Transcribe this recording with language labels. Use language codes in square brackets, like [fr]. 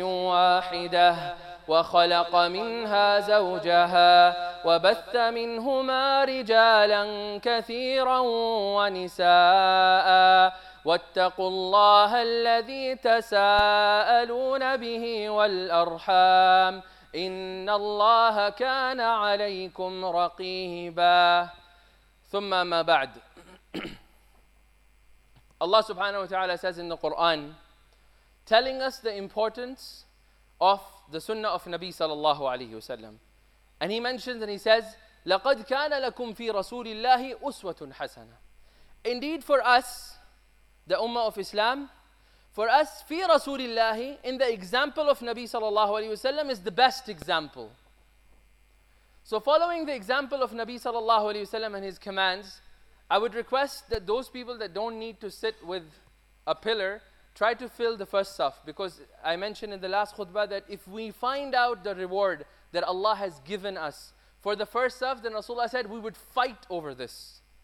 [ar] واحدة وخلق منها زوجها وبث منهما رجالا كثيرا ونساء واتقوا الله الذي تساءلون به والأرحام إن الله كان عليكم رقيبا. ثم ما بعد، الله سبحانه وتعالى [en] says in the Quran, telling us the importance of the sunnah of Nabi sallallahu alayhi wa sallam. And he mentions and he says, [ar] لَقَدْ كَانَ لَكُمْ فِي رَسُولِ اللَّهِ أُسْوَةٌ حَسَنَةٌ. [en] Indeed for us, the ummah of Islam, for us, [ar] في رسول الله, [en] in the example of Nabi sallallahu alayhi wa sallam, is the best example. So following the example of Nabi sallallahu alayhi wa sallam and his commands, I would request that those people that don't need to sit with a pillar, try to fill the first saf, because I mentioned in the last khutbah that if we find out the reward that Allah has given us for the first saf, then Rasulullah said we would fight over this.